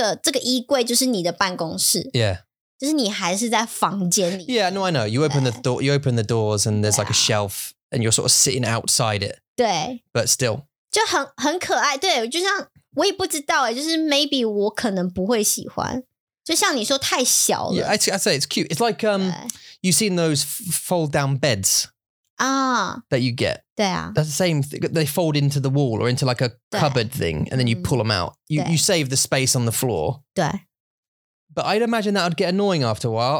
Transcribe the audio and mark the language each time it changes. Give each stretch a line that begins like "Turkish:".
Chinese: 没有啦，你不是真的在衣柜里面啦，你的椅子还在外面，但是就是你的那个这个衣柜就是你的办公室.
English: Yeah.
Chinese: 就是你还是在房间里。
English: Yeah, no, I know. You open the door, you open the doors and there's like a shelf and you're sort of sitting outside it.
Chinese: 对。
English: But still.
Chinese: 就很可爱, 对,就像,我也不知道欸, 就是maybe我可能不会喜欢, 就像你说太小了。
English: Yeah, I'd say it's cute. It's like, you've seen those fold down beds. That you get.
Chinese: 对啊。
English: That's the same, they fold into the wall or into like a cupboard thing and then you pull them out. You save the space on the floor.
Chinese: 对。
English: But I'd imagine that would get annoying after a while.